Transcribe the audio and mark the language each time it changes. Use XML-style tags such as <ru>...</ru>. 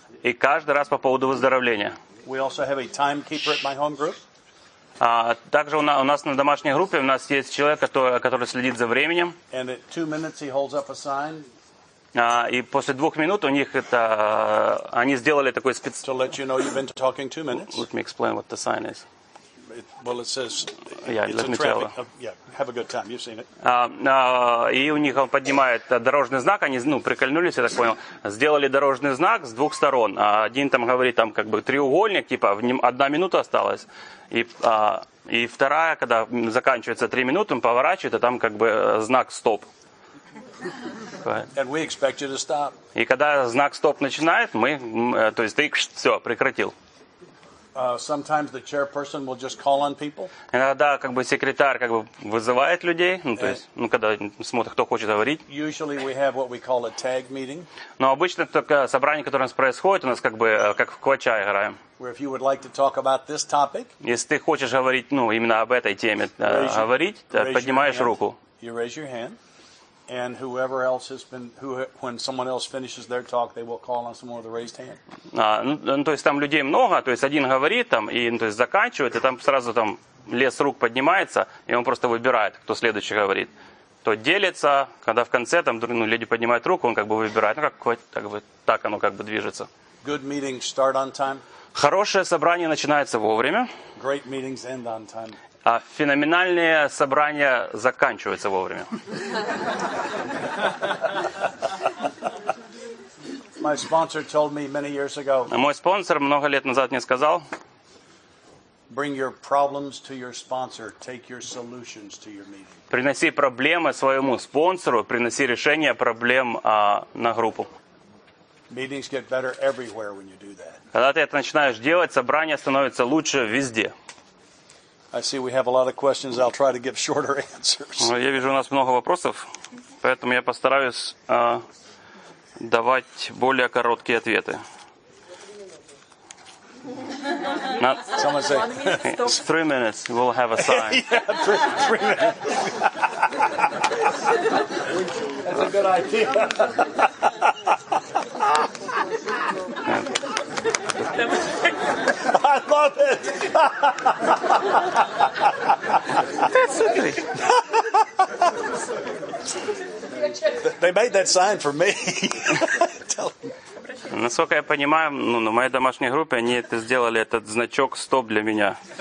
<ru>И каждый раз по поводу выздоровления.</ru> <en>We also have a timekeeper at my home group.</en> <ru>Также у нас на домашней группе у нас есть человек, который следит за временем.</ru> <en>And at 2 minutes he holds up a sign.</en> <ru>И после 2 минут у них это они сделали такой</ru> <en>To let you know you've been talking 2 minutes. Let me explain what the sign is. Well, it says. Yeah, it's let a me tell. Yeah, have a good time. You've seen it.</en> <ru>И у них он поднимает дорожный знак. Они прикольнулись, я так понял. Сделали дорожный знак с двух сторон. Один там говорит там как бы треугольник типа в нем 1 минута осталась. И вторая, когда заканчивается 3 минуты, он поворачивает, а там как бы знак стоп.</ru> <en>And we expect you to stop.</en> <ru>И когда знак стоп начинает, то есть ты все прекратил.</ru> <en>Sometimes the chairperson will just call on people.</en> <ru>Иногда как бы секретарь как бы вызывает людей, то есть когда смотрит, кто хочет говорить.</ru> <en>Usually we have what we call a tag meeting.</en> <ru>Но обычно только собрание, которое у нас происходит, у нас как бы как в квача играем.</ru> <en>Where if you would like to talk about this topic.</en> <ru>Если ты хочешь говорить, именно об этой теме говорить, поднимаешь руку.</ru> <en>You raise your hand. And whoever else has been, when someone else finishes their talk, they will call on someone with a raised hand.</en> <ru>То есть там людей много, то есть один говорит там и то есть заканчивает, и там сразу там лес рук поднимается, и он просто выбирает, кто следующий говорит. Тот делится, когда в конце там люди поднимают руку, он как бы выбирает, так оно как бы движется.</ru> <en>Good meetings start on time.</en> <ru>Хорошее собрание начинается вовремя.</ru> <en>Great meetings end on time.</en> <ru>А феноменальные собрания заканчиваются вовремя.</ru> <en>My sponsor told me many years ago.</en> <ru>Мой спонсор много лет назад мне сказал.</ru> <en>Bring your problems to your sponsor. Take your solutions to your meeting.</en> <ru>Приноси проблемы своему спонсору, приноси решение проблем на группу.</ru> <en>Meetings get better everywhere when you do that.</en> <ru>Когда ты это начинаешь делать, собрания становятся лучше везде.</ru> <en>I see we have a lot of questions. I'll try to give shorter answers.</en> <ru>Я вижу, у нас много вопросов, поэтому я постараюсь давать более короткие ответы.</ru> <en>Someone say, 3 minutes, we'll have a sign. Yeah, three minutes. That's a good idea. I love it. That's so great. They made that sign for me.</en> <ru>Насколько я понимаю, на моей домашней группе они это сделали этот значок стоп для меня.</ru>